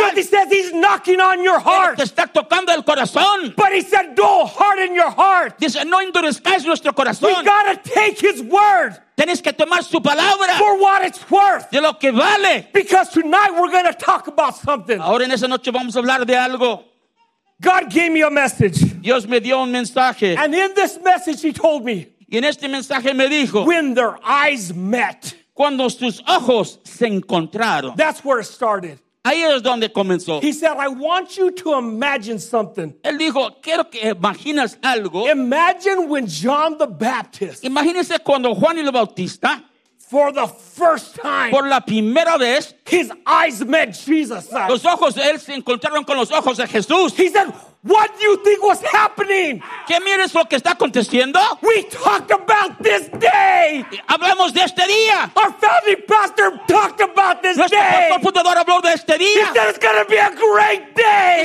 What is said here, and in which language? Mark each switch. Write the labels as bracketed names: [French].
[English] God, he says he's knocking on your heart. [Spanish] Él te está tocando el corazón. [English] But he said don't harden your heart. [Spanish] Dice no endurezcáis nuestro corazón. [English] We gotta take his word. [Spanish] Tienes que tomar su palabra. [English] For what it's worth. [Spanish] De lo que vale. [English] Because tonight we're going to talk about something. [Spanish] Ahora en esa noche vamos a hablar de algo. [English] God gave me a message. [Spanish] Dios me dio un mensaje. [English] And in this message he told me. [Spanish] Y en este mensaje me dijo. [English] When their eyes met. [Spanish] Cuando sus ojos se encontraron. [English] That's where it started. [Spanish] Ahí es donde comenzó. [English] He said, I want you to imagine something. [Spanish] Él dijo, quiero que imagines algo. [English] Imagine when John the Baptist. [Spanish] Imagínese cuando Juan el Bautista. [English] For the first time. [Spanish] Por la primera vez. [English] His eyes met Jesus' eyes. [Spanish] Los ojos de él se encontraron con los ojos de Jesús. [English] He said, what do you think was happening? [Spanish] ¿Qué miras lo que está aconteciendo? [English] We talked about this day. [Spanish] Hablamos de este día. [English] Our founding pastor talked about this [Spanish] Nuestro [English] day. [Spanish] Nuestro pastor fundador habló de este día. [English] He said it's going to be a great day.